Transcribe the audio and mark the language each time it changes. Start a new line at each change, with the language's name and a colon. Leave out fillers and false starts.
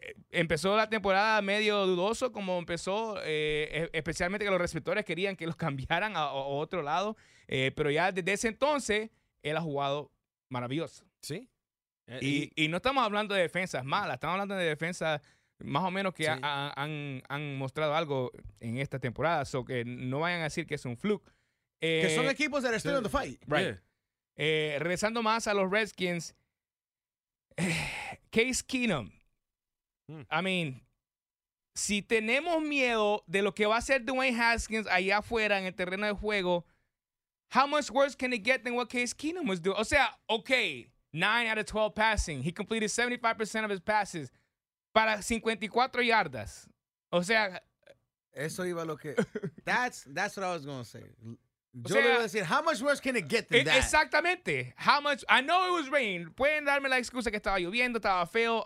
Spanish: Empezó la temporada medio dudoso, como empezó, especialmente que los receptores querían que los cambiaran a otro lado. Pero ya desde ese entonces, él ha jugado... maravilloso. Sí. Y no estamos hablando de defensas malas, estamos hablando de defensas más o menos que han mostrado algo en esta temporada, so que no vayan a decir que es un fluke. Que son equipos
English: that are still in the fight. Right. Yeah.
Spanish: Regresando más a los Redskins, Case Keenum.
English: I mean,
Spanish: si tenemos miedo de lo que va a hacer Dwayne Haskins allá afuera en el terreno de juego,
English: how much worse can it get than what Case Keenum was doing?
Spanish: O sea,
English: okay, 9 out of 12 passing. He completed 75% of his passes
Spanish: para 54 yardas. O sea... Eso iba a lo que...
English: That's what I was going to say.
Spanish: Le iba a decir,
English: how much worse can it get than that?
Spanish: Exactamente.
English: How much... I know it was raining.
Spanish: Pueden darme la excusa que estaba lloviendo, estaba feo.